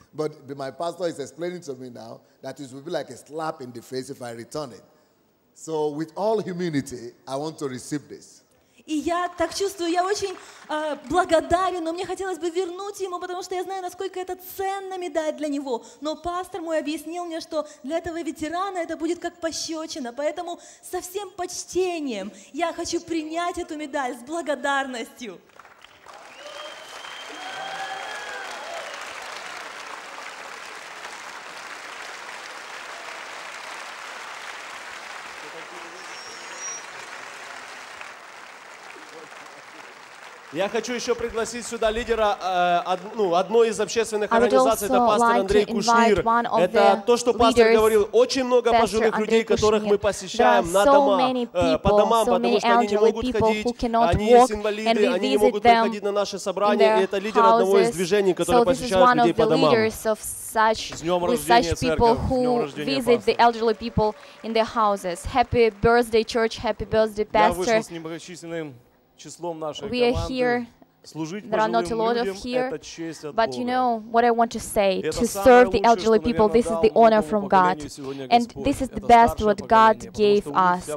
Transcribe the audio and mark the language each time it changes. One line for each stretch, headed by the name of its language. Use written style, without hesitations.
English: But my pastor is explaining to me now that it will be like a slap in the face if I return it. So with all humility, I want to receive this.
Russian: И я так чувствую, я очень благодарен, но мне хотелось бы вернуть ему, потому что я знаю, насколько это ценно медаль для него. Но пастор мой объяснил мне, что для этого ветерана это будет как пощечина. Поэтому со всем почтением я хочу принять эту медаль с благодарностью. Я хочу еще пригласить сюда лидера одной из общественных организаций, это пастор Андрей Кушнир. Это то, что пастор говорил, очень много пожилых людей, которых мы посещаем на домах, по домам, потому что они не могут ходить, они есть инвалиды, они не могут приходить на наше собрание, и это лидер одного из движений, которые посещают людей по домам.
English: With such people who visit the elderly people in their houses. Happy birthday, church, happy birthday, pastor.
Russian: числом нашей команды.
English: There are not a lot of here, but you know what I want to say, to serve the elderly people, this is the honor from God, and this is the best what God gave us.